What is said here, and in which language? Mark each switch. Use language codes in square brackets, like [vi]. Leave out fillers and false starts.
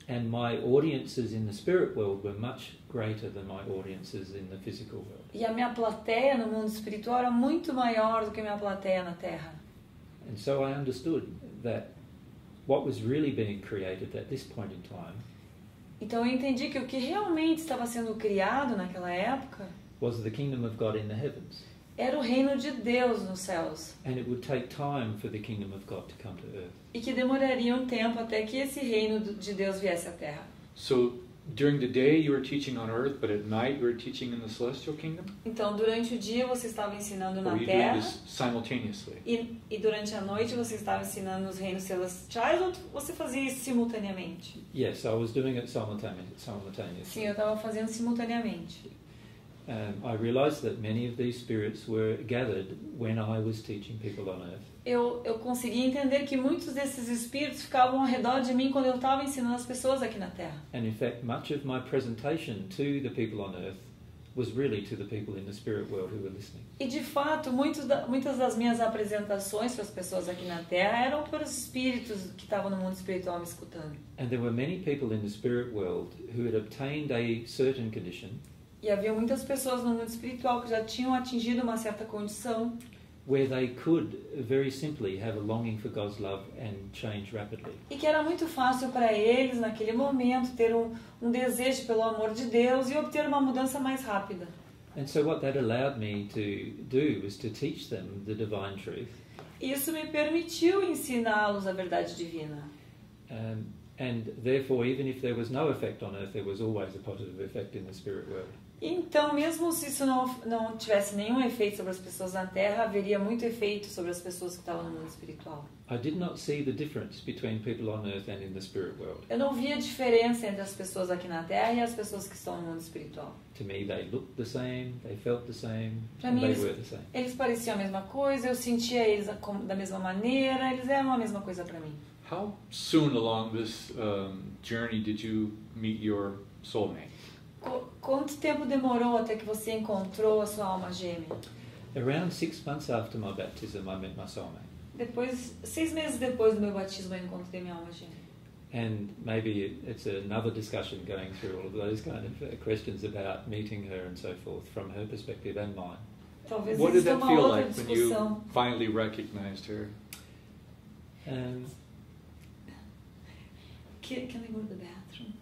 [en] And my audiences in the spirit world were much greater than my audiences in the physical world. [pt] E a minha plateia no mundo espiritual era muito maior do que a minha plateia na Terra. [en] And so I understood that what was really being created at this point in time. [pt] Então eu entendi que o que realmente estava sendo criado naquela época [en] was the kingdom of God in the heavens. [pt] Era o reino de Deus nos céus. [en] And it would take time for the kingdom of God to come to earth. [pt] E que demoraria um tempo até que esse reino de Deus viesse à Terra. [en] So during the day you were teaching on earth, but at night you were teaching in the celestial kingdom? [pt] Então durante o dia você estava ensinando na Terra. [en] Or were you doing this simultaneously? [pt] E durante a noite você estava ensinando nos reinos celestiais ou você fazia isso simultaneamente? [en] Yes, I was doing it simultaneously. [pt] Sim, eu estava fazendo simultaneamente. [en] I realized that many of these spirits were gathered when I was teaching people on earth. [pt] Eu consegui entender que muitos desses espíritos ficavam ao redor de mim quando eu estava ensinando as pessoas aqui na Terra. [en] And in fact, much of my presentation to the people on earth was really to the people in the spirit world who were listening. [pt] E de fato, muitas das minhas apresentações para as pessoas aqui na Terra eram para os espíritos que estavam no mundo espiritual me escutando. [en] And there were many people in the spirit world who had obtained a certain condition. [pt] E havia muitas pessoas no mundo espiritual que já tinham atingido uma certa condição. [en] Where they could very simply have a longing for God's love and change rapidly. [pt] E que era muito fácil para eles naquele momento ter um desejo pelo amor de Deus e obter uma mudança mais rápida. [en] And so what that allowed me to do was to teach them the divine truth. [pt] Isso me permitiu ensiná-los a verdade divina. [en] And therefore, even if there was no effect on earth, there was always a positive effect in the spirit world. [pt] Então, mesmo se isso não tivesse nenhum efeito sobre as pessoas na Terra, haveria muito efeito sobre as pessoas que estavam no mundo espiritual. [en] I did not see the difference between people on earth and in the spirit world. Eu não via diferença entre as pessoas aqui na Terra e as pessoas que estão no mundo espiritual. To me, they looked the same, they felt the same, and they were the same. [pt] Eles pareciam a mesma coisa, eu sentia eles da mesma maneira, eles eram a mesma coisa para mim. [en] How soon along this journey did you meet your soulmate? [pt] Quanto tempo demorou até que você encontrou a sua alma gêmea? [en] Around 6 months after my baptism, I met my soulmate. [pt] Depois, 6 meses depois do meu batismo, eu encontrei minha alma gêmea. [en] And maybe it's another discussion going through all of those kind of questions about meeting her and so forth from her perspective and mine. [pt] Talvez [en] what did that feel like [pt] discussão. [en] When you finally recognized her? Can I go to the bathroom?